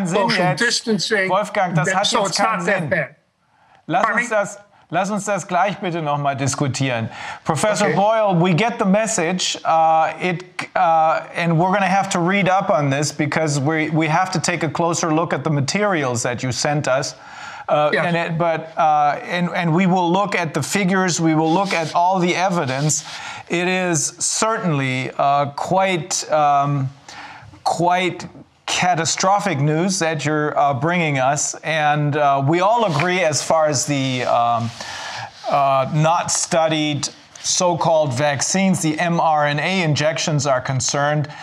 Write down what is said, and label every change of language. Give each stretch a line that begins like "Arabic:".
English: We've had lockdowns, we've had masks, social distancing, so it's not that bad.
German: Lass uns das gleich bitte noch mal diskutieren.
English: Professor Boyle, we get the message. And we're going to have to read up on this because we have to take a closer look at the materials that you sent us. In it, but and we will look at the figures, we will look at all the evidence. It is certainly quite catastrophic news that you're bringing us, and we all agree as far as the not studied so-called vaccines, the mRNA injections, are concerned.